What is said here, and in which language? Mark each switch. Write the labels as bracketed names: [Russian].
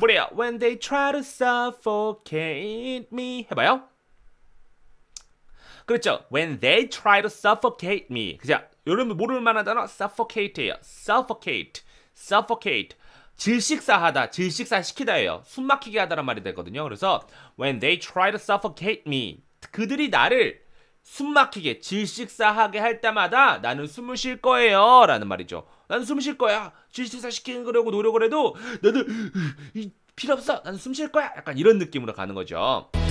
[English] When they try to suffocate me. [Korean] 해봐요. 그렇죠. [English] When they try to suffocate me. [Korean] 그렇죠. 여러분 모를 만한 단어 suffocate예요. [English] Suffocate. [Korean] 질식사하다, 질식사시키다예요. 숨막히게 하다란 말이 되거든요. [English] 그래서 When they try to suffocate me. [Korean] 그들이 나를 숨막히게, 질식사하게 할 때마다 나는 숨을 쉴 거예요. 라는 말이죠. 나는 숨 쉴 거야. 질식사시키려고 노력을 해도 나는 필요 없어. 나는 숨 쉴 거야. 약간 이런 느낌으로 가는 거죠.